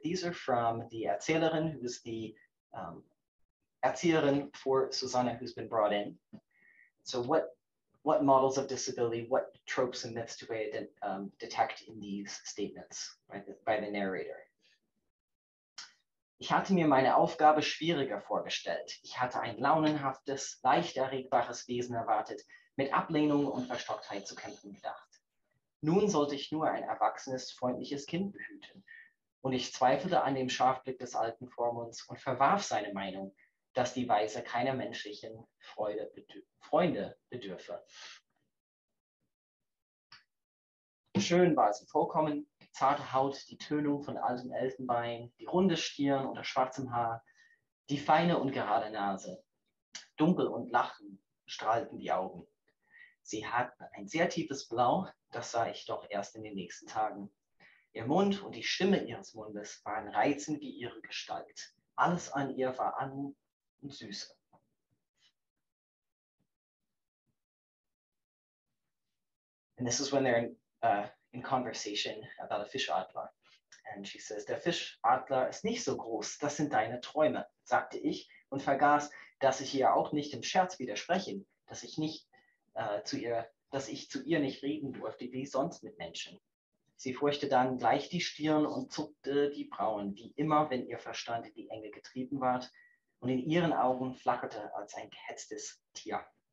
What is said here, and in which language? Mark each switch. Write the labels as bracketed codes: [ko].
[en] These are from the Erzählerin, who is the Erzieherin for Susanna, who's been brought in. So what models of disability, what tropes and myths do we detect in these statements by the narrator? [de] Ich hatte mir meine Aufgabe schwieriger vorgestellt. Ich hatte ein launenhaftes, leicht erregbares Wesen erwartet, mit Ablehnung und Verstocktheit zu kämpfen gedacht. Nun sollte ich nur ein erwachsenes, freundliches Kind behüten. Und ich zweifelte an dem Scharfblick des alten Vormunds und verwarf seine Meinung, dass die Weise keiner menschlichen Freunde bedürfe. Schön war sie vollkommen, zarte Haut, die Tönung von altem Elfenbein, die runde Stirn unter schwarzem Haar, die feine und gerade Nase. Dunkel und lachend strahlten die Augen. Sie hat ein sehr tiefes Blau, das sah ich doch erst in den nächsten Tagen. Ihr Mund und die Stimme ihres Mundes waren reizend wie ihre Gestalt. Alles an ihr war Anmut und Süße. [en] And this is when they're in conversation about a fish adler. And she says, [de] der fish adler ist nicht so groß, das sind deine Träume, sagte ich und vergaß, dass ich ihr auch nicht im Scherz widersprechen, dass ich nicht zu ihr nicht reden durfte, wie sonst mit Menschen. Sie furchte dann gleich die Stirn und zuckte die Brauen, wie immer, wenn ihr Verstand in die Enge getrieben ward, und in ihren Augen flackerte als ein gehetztes Tier.